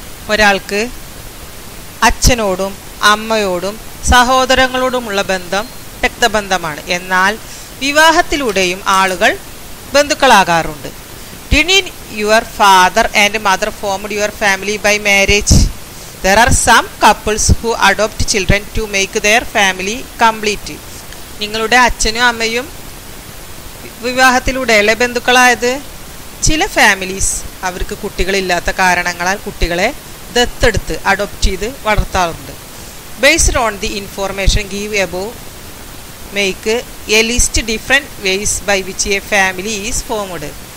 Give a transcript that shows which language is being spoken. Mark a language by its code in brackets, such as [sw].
[ml] ഒരാൾക്ക് അച്ഛനോടും അമ്മയോടും സഹോദരങ്ങളോടുമുള്ള ബന്ധം രക്തബന്ധമാണ്. എന്നാൽ വിവാഹത്തിലൂടെയും ആളുകൾ ബന്ധുക്കളാകാറുണ്ട്. [en] Did your father and mother formed your family by marriage? The There are some couples who adopt children to make their family complete. [ml] നിങ്ങളുടെ അച്ഛനും അമ്മയും വിവാഹത്തിലൂടെ അല്ലേ ബന്ധുക്കളായത്? ചില ഫാമിലീസ് അവർക്ക് കുട്ടികളില്ലാത്ത കാരണങ്ങളാൽ കുട്ടികളെ ദത്തെടുത്ത് അഡോപ്റ്റ് ചെയ്ത് വളർത്താറുണ്ട്. [en] Based on the information give above make a list different ways by which a family is formed.